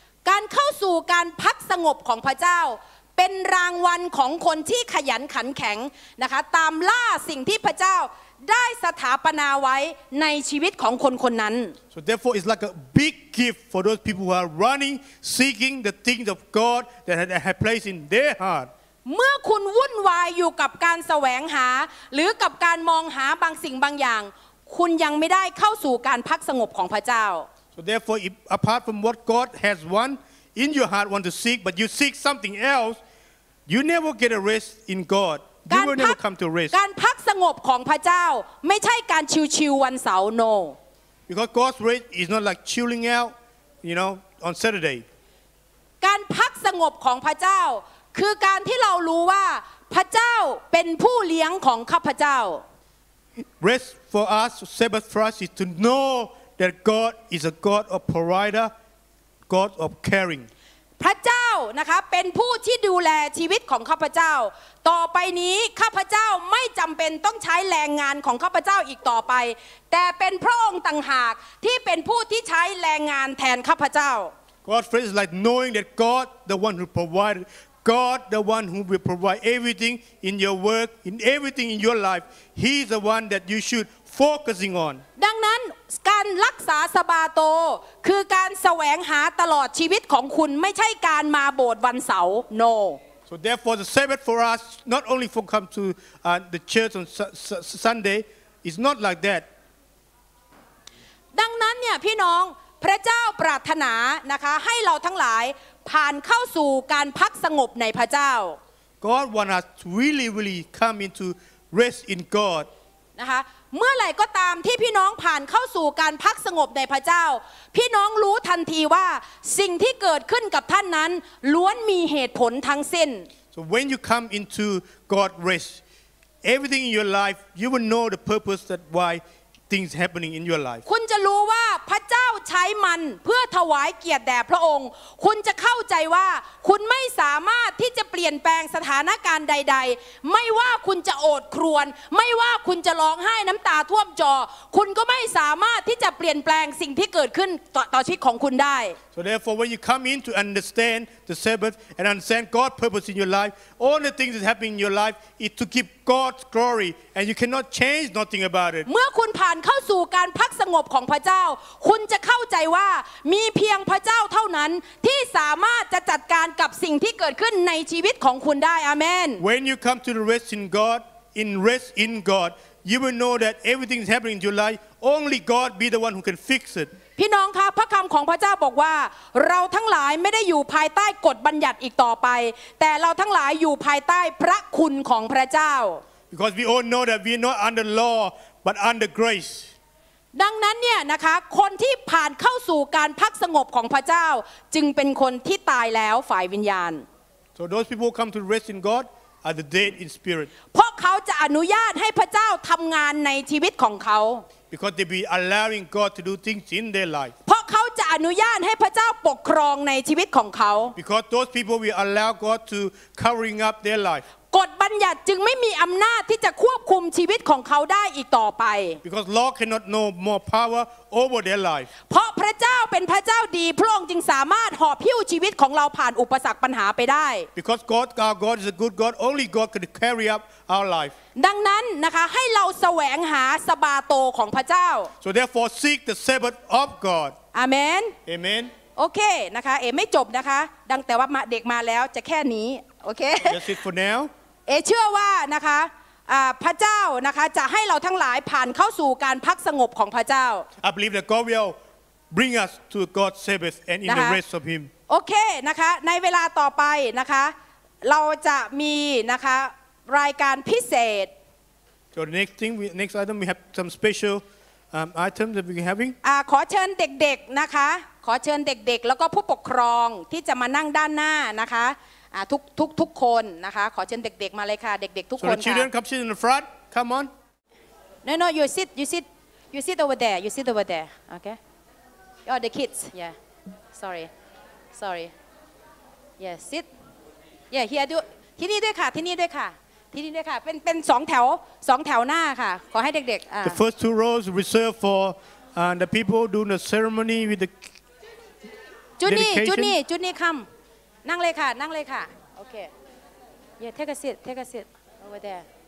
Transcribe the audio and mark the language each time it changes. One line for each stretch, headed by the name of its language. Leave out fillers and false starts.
Thai: การเข้าสู่การพักสงบของพระเจ้าเป็นรางวัลของคนที่ขยันขันแข็งนะคะตามล่าสิ่งที่พระเจ้าได้สถาปนาไว้ในชีวิตของคนคนนั้น
English: So therefore it's like a big gift for those people who are running seeking the things of God that have placed in their heart
Thai: เมื่อคุณวุ่นวายอยู่กับการแสวงหาหรือกับการมองหาบางสิ่งบางอย่างคุณยังไม่ได้เข้าสู่การพักสงบของพระเจ้า
English: So therefore, if, apart from what God has won in your heart, want to seek, but you seek something else, you never get a rest in God. You will never come to rest.
Thai: การพักสงบของพระเจ้าไม่ใช่การชิวๆวันเสาร์
English: No. Because God's rest is not like chilling out, you know, on Saturday.
Thai: การพักสงบของพระเจ้าคือการที่เรารู้ว่าพระเจ้าเป็นผู้เลี้ยงของข้าพเจ้า
English: Rest for us, Sabbath for us is to know. That God is a God of provider, God of caring.
Thai: พระเจ้านะคะเป็นผู้ที่ดูแลชีวิตของข้าพเจ้าต่อไปนี้ข้าพเจ้าไม่จำเป็นต้องใช้แรงงานของข้าพเจ้าอีกต่อไปแต่เป็นพระองค์ต่างหากที่เป็นผู้ที่ใช้แรงงานแทนข้าพเจ้า
English: God's rest is like knowing that God, the one who provided, God, the one who will provide everything in your work, in everything in your life. He's the one that you should. Focusing on.
Thai: ดังนั้นการรักษาสะบาโตคือการแสวงหาตลอดชีวิตของคุณไม่ใช่การมาโบสถ์วันเสาร์
English: No. So therefore, the Sabbath for us not only for come to the church on Sunday is not like that.
Thai: ดังนั้นเนี่ยพี่น้องพระเจ้าปรารถนานะคะให้เราทั้งหลายผ่านเข้าสู่การพักสงบในพระเจ้า
English: God wants us to really come into rest in God.
Thai: นะคะเมื่อไหร่ก็ตามที่พี่น้องผ่านเข้าสู่การพักสงบในพระเจ้าพี่น้องรู้ทันทีว่าสิ่งที่เกิดขึ้นกับท่านนั้นล้วนมีเหตุผลทั้งสิ้น
English: So when you come into God's rest everything in your life you will know the purpose that why things happening in your life
Thai: คุณจะรู้ว่าพระเจ้าใช้มันเพื่อถวายเกียรติแด่พระองค์คุณจะเข้าใจว่าคุณไม่สามารถที่จะเปลี่ยนแปลงสถานการณ์ใดๆไม่ว่าคุณจะโอดครวญไม่ว่าคุณจะร้องไห้น้ำตาท่วมจอคุณก็ไม่สามารถที่จะเปลี่ยนแปลงสิ่งที่เกิดขึ้นต่อชีวิตของคุณได้
English: So therefore when you come in to understand the Sabbath and understand God's purpose in your life all the things that happen in your life is to keep God's glory and you cannot change nothing about it
Thai: เมื่อคุณผ่านเข้าสู่การพักสงบของพระเจ้าคุณจะเข้าใจว่ามีเพียงพระเจ้าเท่านั้นที่สามารถจะจัดการกับสิ่งที่เกิดขึ้นในชีวิตของคุณได้อาเมน
English: When you come to the rest in God in rest in God you will know that everything is happening in your life only God be the one who can fix it
Thai: พี่น้องคะพระคำของพระเจ้าบอกว่าเราทั้งหลายไม่ได้อยู่ภายใต้กฎบัญญัติอีกต่อไปแต่เราทั้งหลายอยู่ภายใต้พระคุณของพระเจ้า
English: Because we all know that we are not under law but under grace
Thai: ดังนั้นเนี่ยนะคะคนที่ผ่านเข้าสู่การพักสงบของพระเจ้าจึงเป็นคนที่ตายแล้วฝ่ายวิญญาณ
English: So those people who come to rest in God are the dead in spirit
Thai: เพราะเขาจะอนุญาตให้พระเจ้าทำงานในชีวิตของเขา
English: Because they be allowing God to do things in their life
Thai: เพราะเขา จะอนุญาตให้พระเจ้าปกครองในชีวิตของเขา
English: Because those people we allow God to covering up their life
Thai: กฎบัญญัติจึงไม่มีอำนาจที่จะควบคุมชีวิตของเขาได้อีกต่อไป
English: Because law cannot no more power over their life
Thai: เพราะพระเจ้าเป็นพระเจ้าดีพระองค์จึงสามารถหอบหิ้วชีวิตของเราผ่านอุปสรรคปัญหาไปได้
English: Because God our God is a good God only God can carry upOur life.
Thai: ดังนั้นนะคะให้เราแสวงหาสบาโตของพระเจ้า
English: So therefore seek the Sabbath of God. Amen. Amen. Okay,
Thai: นะคะเอไม่จบนะคะดังแต่ว่าเด็กมาแล้วจะแค่นี้
English: Okay. That's it for now.
Thai: เอเชื่อว่านะคะพระเจ้านะคะจะให้เราทั้งหลายผ่านเข้าสู่การพักสงบของพระเจ้า
English: I believe that God will bring us to God's Sabbath and in the rest of Him. Okay,
Thai: นะคะในเวลาต่อไปนะคะเราจะมีนะคะรายการพิเศษ
English: So next thing we next item we have some special item that we're having
Thai: ขอเชิญเด็กๆนะคะขอเชิญเด็กๆแล้วก็ผู้ปกครองที่จะมานั่งด้านหน้านะคะทุกคนนะคะขอเชิญเด็กๆมาเลยค่ะเด็กๆทุกคนค่ะ
English: So children come sit in the front come on No you sit over there you sit over there okay Oh the kids yeah sorry yeah sit yeah here do
Thai: ที่นี่ด้วยค่ะที่นี่ด้วยค่ะที่นี่ด้วยค่ะเป็น2 แถวหน้าค่ะขอให้เด็กๆ
English: The first two rows reserved for the people doing the ceremony with the
Thai: จุนี่
English: come
Thai: นั่งเลยค่ะนั่งเลยค่ะโอเค
English: Yeah take a seat over there